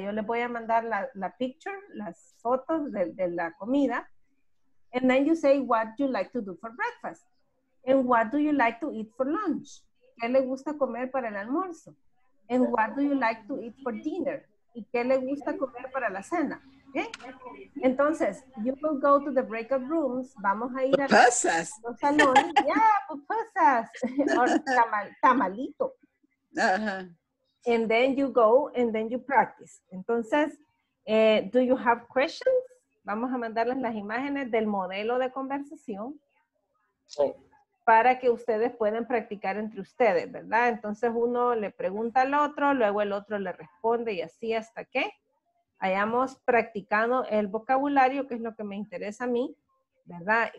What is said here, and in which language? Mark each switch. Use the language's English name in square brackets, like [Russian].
[Spanish] Yo les voy a mandar la picture, las fotos de la comida. [English] And then you say what you like to do for breakfast. And what do you like to eat for lunch? [Spanish] ¿Qué le gusta comer para el almuerzo? [English] And what do you like to eat for dinner? [Spanish] ¿Y qué le gusta comer para la cena? ¿Okay? [English] Entonces, you will go to the breakout rooms. [Spanish] Vamos a ir a pupusas. Los salones. Yeah, pupusas. Or tamalito. Uh-huh. [English] And then you go and then you practice. Entonces, do you have questions? [Spanish] Vamos a mandarles las imágenes del modelo de conversación. Sí. Para que ustedes puedan practicar entre ustedes, ¿verdad? Entonces uno le pregunta al otro, luego el otro le responde y así hasta que hayamos practicado el vocabulario, que es lo que me interesa a mí, ¿verdad?